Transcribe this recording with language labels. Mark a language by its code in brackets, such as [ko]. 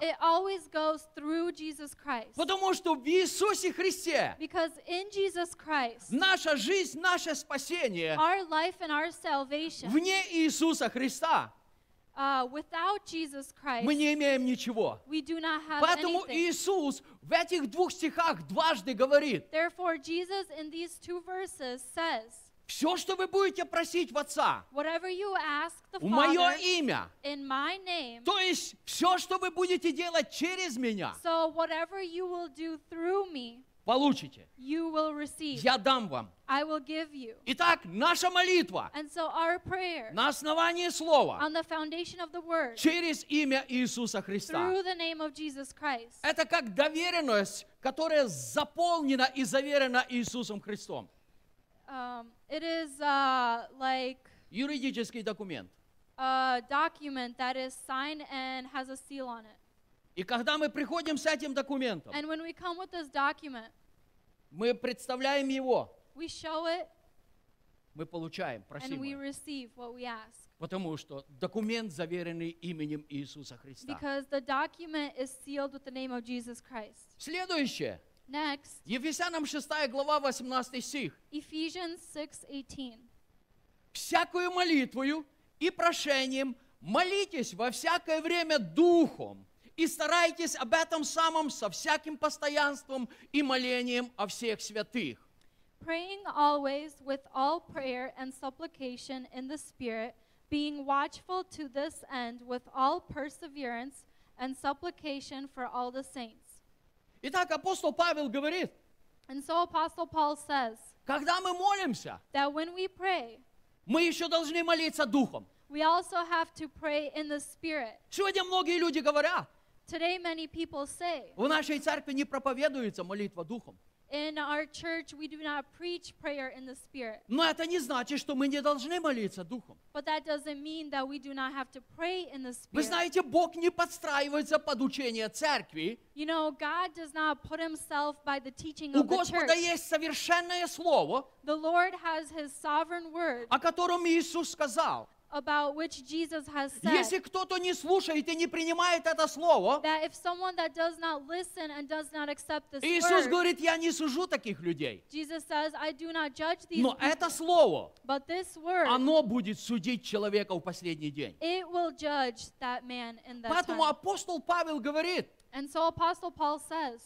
[en] It always goes through Jesus Christ. [ru] Потому что в Иисусе Христе, [en] because in Jesus Christ, [ru] наша жизнь, наше спасение, [en] our life and our salvation, [ru] вне Иисуса Христа, [en] without Jesus Christ, [ru] мы не имеем ничего. [en] We do not have [ru] Поэтому [en] anything. [ru] Иисус в этих двух стихах дважды говорит, [en] therefore Jesus in these two verses says, [ru] все, что вы будете просить в Отца, [en] whatever you ask the [ru] в Мое [en] Father, [ru] имя, [en] in my name, [ru] то есть все, что вы будете делать через Меня, [en] so whatever you will do through me, [ru] получите. [en] You will receive. [ru] Я дам вам. [en] I will give you. [ru] Итак, наша молитва, [en] and so our prayer, [ru] на основании Слова, [en] on the foundation of the word, [ru] через имя Иисуса Христа, [en] through the name of Jesus Christ, [ru] это как доверенность, которая заполнена и заверена Иисусом Христом. [en] It is like [ru] юридический документ. [en] A document that is signed and has a seal on it. [ru] И когда мы приходим с этим документом, [en] and when we come with this document, [ru] мы представляем его, [en] we show it, [ru] мы получаем, просим, [en] and we receive what we ask. [ru] Потому что документ заверенный именем Иисуса Христа. [en] Because the document is sealed with the name of Jesus Christ. [ru] Следующее. [en] Next. [ru] Ефесянам 6 глава 18 стих. [en] Ephesians 6:18. [ru] Всякую молитвою и прошением молитесь во всякое время Духом и старайтесь об этом самом со всяким постоянством и молением о всех святых. [en] Praying always with all prayer and supplication in the Spirit, being watchful to this end with all perseverance and supplication for all the saints. [ru] Итак, апостол Павел говорит, [en] and so Apostle Paul says, [ru] когда мы молимся, [en] that when we pray, [ru] мы еще должны молиться Духом. [en] We also have to pray in the Spirit. [ru] Сегодня многие люди говорят, [en] today many people say, [ru] в нашей церкви не проповедуется молитва Духом. [en] In our church we do not preach prayer in the Spirit. [ru] Но это не значит, что мы не должны молиться Духом. [en] But that doesn't mean that we do not have to pray in the Spirit. [ru] Вы знаете, Бог не подстраивается под учение церкви. [en] You know, God does not put himself by the teaching of the church. [ru] У Господа есть совершенное слово, [en] the Lord has his sovereign word, [ru] о котором Иисус сказал, [en] about which Jesus has said, [ru] если кто-то не слушает и не принимает это слово, [en] that if someone that does not listen and does not accept this [ru] Иисус [en] word, [ru] говорит, я не сужу таких людей. [en] Jesus says, I do not judge these [ru] Но [en] people. [ru] Это слово, [en] but this word, [ru] оно будет судить человека в последний день. [en] It will judge that man in that [ru] Поэтому [en] time. [ru] Апостол Павел говорит, [en] And so Apostle Paul says,